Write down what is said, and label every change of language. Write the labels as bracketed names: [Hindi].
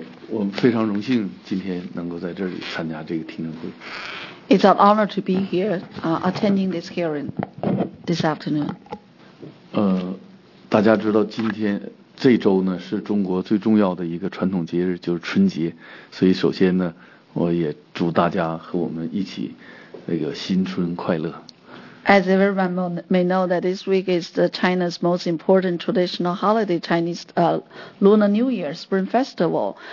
[Chinese] 我非常荣幸今天能够在这里参加这个听证会。 [English] It's an honor to be here attending this hearing this afternoon. [Chinese] 大家知道今天 这周呢是中国最重要的一个传统节日，就是春节。所以首先呢，我也祝大家和我们一起那个新春快乐。 [English] As everyone may know, that this week is the China's most important traditional holiday, Chinese Lunar New Year Spring Festival.